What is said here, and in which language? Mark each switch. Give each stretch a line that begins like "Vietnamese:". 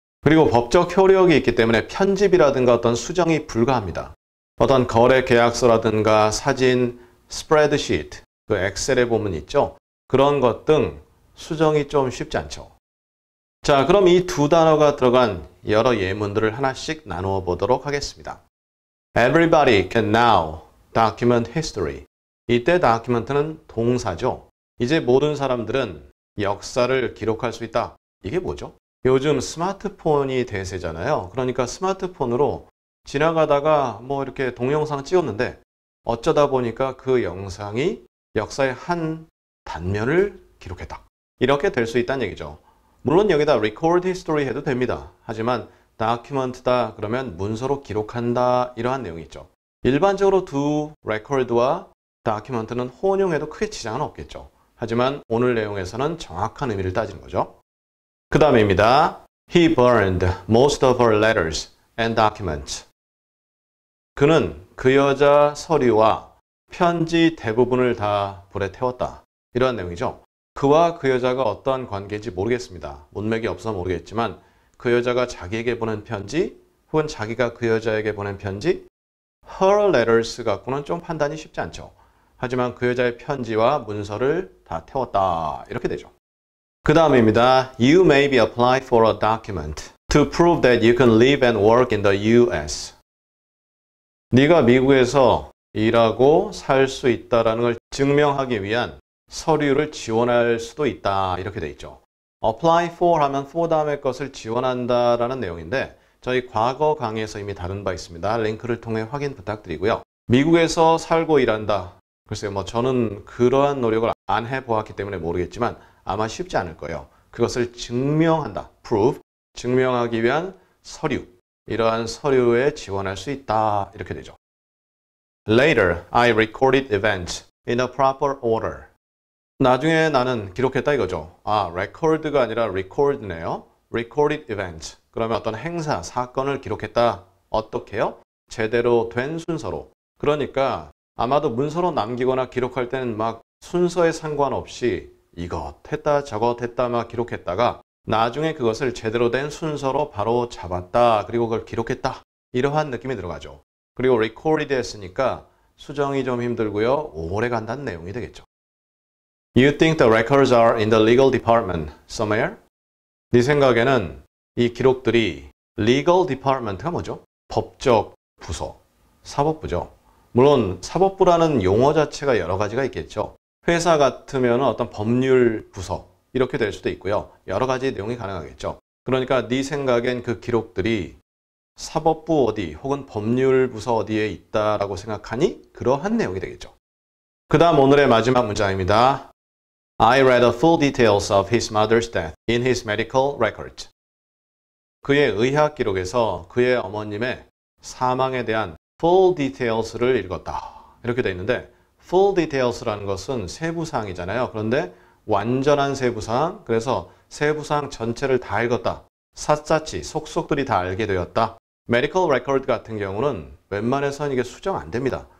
Korean: 그리고 법적 효력이 있기 때문에 편집이라든가 어떤 수정이 불가합니다. 어떤 거래 계약서라든가 사진, spreadsheet, 그 엑셀에 보면 있죠. 그런 것 등 수정이 좀 쉽지 않죠. 자, 그럼 이 두 단어가 들어간 여러 예문들을 하나씩 나누어 보도록 하겠습니다.
English: Everybody can now document history.
Korean: 이때 document는 동사죠. 이제 모든 사람들은 역사를 기록할 수 있다. 이게 뭐죠? 요즘 스마트폰이 대세잖아요. 그러니까 스마트폰으로 지나가다가 뭐 이렇게 동영상 찍었는데 어쩌다 보니까 그 영상이 역사의 한 단면을 기록했다. 이렇게 될 수 있다는 얘기죠. 물론 여기다
English: record history
Korean: 해도 됩니다. 하지만 document다 그러면 문서로 기록한다 이러한 내용이 있죠. 일반적으로 두 record와 다큐먼트는 혼용해도 크게 지장은 없겠죠. 하지만 오늘 내용에서는 정확한 의미를 따지는 거죠. 그 다음입니다.
English: He burned most of her letters and documents.
Korean: 그는 그 여자 서류와 편지 대부분을 다 불에 태웠다. 이런 내용이죠. 그와 그 여자가 어떠한 관계인지 모르겠습니다. 문맥이 없어 모르겠지만 그 여자가 자기에게 보낸 편지 혹은 자기가 그 여자에게 보낸 편지 her letters 갖고는 좀 판단이 쉽지 않죠. 하지만 그 여자의 편지와 문서를 다 태웠다. 이렇게 되죠. 그 다음입니다.
English: You may be applied for a document to prove that you can live and work in the US.
Korean: 네가 미국에서 일하고 살 수 있다라는 걸 증명하기 위한 서류를 지원할 수도 있다. 이렇게 돼 있죠. Apply for 하면 for 다음의 것을 지원한다라는 내용인데 저희 과거 강의에서 이미 다룬 바 있습니다. 링크를 통해 확인 부탁드리고요. 미국에서 살고 일한다. 글쎄요, 뭐 저는 그러한 노력을 안 해보았기 때문에 모르겠지만 아마 쉽지 않을 거예요. 그것을 증명한다, proof, 증명하기 위한 서류, 이러한 서류에 지원할 수 있다, 이렇게 되죠.
English: Later, I recorded events in a proper order.
Korean: 나중에 나는 기록했다 이거죠. 아, record가 아니라 record네요.
English: Recorded events,
Korean: 그러면 어떤 행사, 사건을 기록했다. 어떻게요? 제대로 된 순서로. 그러니까 아마도 문서로 남기거나 기록할 때는 막 순서에 상관없이 이것 했다 저것 했다 막 기록했다가 나중에 그것을 제대로 된 순서로 바로 잡았다 그리고 그걸 기록했다 이러한 느낌이 들어가죠. 그리고 recorded 했으니까 수정이 좀 힘들고요. 오래 간다는 내용이 되겠죠.
English: You think the records are in the legal department somewhere?
Korean: 네 생각에는 이 기록들이 legal department가 뭐죠? 법적 부서, 사법부죠. 물론 사법부라는 용어 자체가 여러 가지가 있겠죠. 회사 같으면 어떤 법률 부서 이렇게 될 수도 있고요. 여러 가지 내용이 가능하겠죠. 그러니까 네 생각엔 그 기록들이 사법부 어디 혹은 법률 부서 어디에 있다라고 생각하니 그러한 내용이 되겠죠. 그 다음 오늘의 마지막 문장입니다.
English: I read the full details of his mother's death in his medical records.
Korean: 그의 의학 기록에서 그의 어머님의 사망에 대한 full details를 읽었다. 이렇게 돼 있는데 full details라는 것은 세부사항이잖아요. 그런데 완전한 세부사항, 그래서 세부사항 전체를 다 읽었다. 샅샅이 속속들이 다 알게 되었다. Medical record 같은 경우는 웬만해서는 이게 수정 안 됩니다.